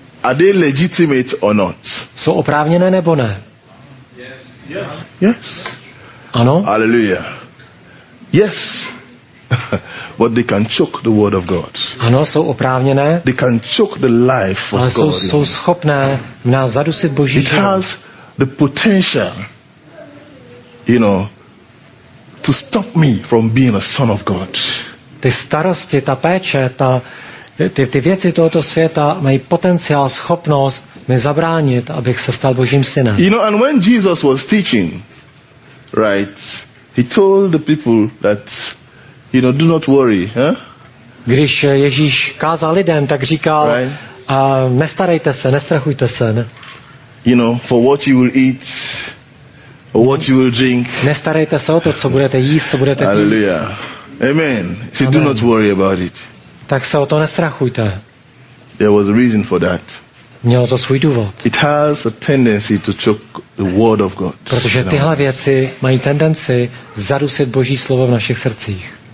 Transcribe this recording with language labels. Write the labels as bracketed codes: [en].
[en] Are they legitimate or not? [cs] Jsou oprávněné nebo ne? [en] Yes. Yes. [cs] Ano. [en] Hallelujah. Yes. But they can choke the word of God. [cs] Ano, jsou oprávněné. [en] They can choke the life of [cs] ale [en] God. [cs] Jsou schopné v nás zadusit Boží život. [en] It has the potential, you know, to stop me from being a son of God. [cs] Ty starosti, ta péče, ty věci tohoto světa mají potenciál, schopnost mi zabránit, abych se stal Božím synem. [en] You know, and when Jesus was teaching, right, he told the people that, you know, do not worry, huh? [cs] Když Ježíš kázal lidem, tak říkal, nestarejte se, nestrachujte se, ne? [en] You know, for what you will eat, or what you will drink. [cs] Nestarejte se o to, co budete jíst, co budete pít. [en] Hallelujah. Amen. See, do not worry about it. [cs] Tak se o to nestrachujte. [en] There was a reason for that. [cs] Mělo to svůj důvod. [en] It has a tendency to choke the word of God. [cs] Protože tyhle věci mají tendenci zadusit Boží slovo v našich srdcích.